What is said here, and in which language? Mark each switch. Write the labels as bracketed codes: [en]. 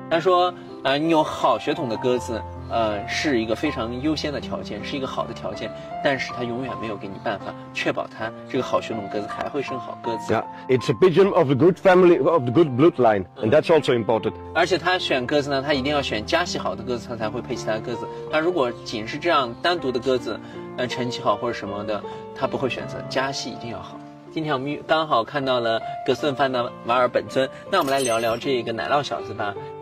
[zh] 他说你有好血统的鸽子是一个非常优先的条件，是一个好的条件，但是他永远没有给你办法确保他这个好血统鸽子还会生好鸽子。 [en] Yeah, it's a pigeon of the good family of the good bloodline, and that's also important. [zh] 而且他选鸽子呢，他一定要选家系好的鸽子，他才会配其他鸽子。他如果仅是这样单独的鸽子，成绩好或者什么的，他不会选择，家系一定要好。今天我们刚好看到了葛斯顿范的瓦尔本尊，那我们来聊聊这个奶酪小子吧。